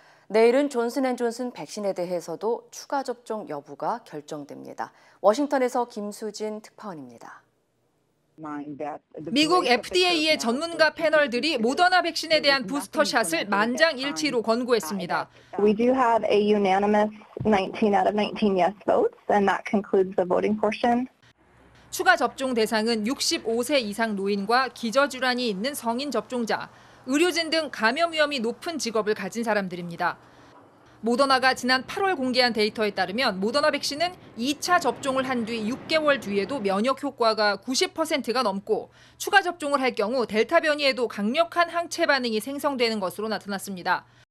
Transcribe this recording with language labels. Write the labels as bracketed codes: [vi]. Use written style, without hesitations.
[ko] 내일은 존슨앤존슨 백신에 대해서도 추가 접종 여부가 결정됩니다. 워싱턴에서 김수진 특파원입니다. 미국 FDA의 전문가 패널들이 모더나 백신에 대한 부스터샷을 만장일치로 권고했습니다. [en] We do have a unanimous 19 out of 19 yes votes, and that concludes the voting portion. [ko] 추가 접종 대상은 65세 이상 노인과 기저 질환이 있는 성인 접종자, 의료진 등 감염 위험이 높은 직업을 가진 사람들입니다. 모더나가 지난 8월 공개한 데이터에 따르면 모더나 백신은 2차 접종을 한 뒤 6개월 뒤에도 면역 효과가 90%가 넘고 추가 접종을 할 경우 델타 변이에도 강력한 항체 반응이 생성되는 것으로 나타났습니다.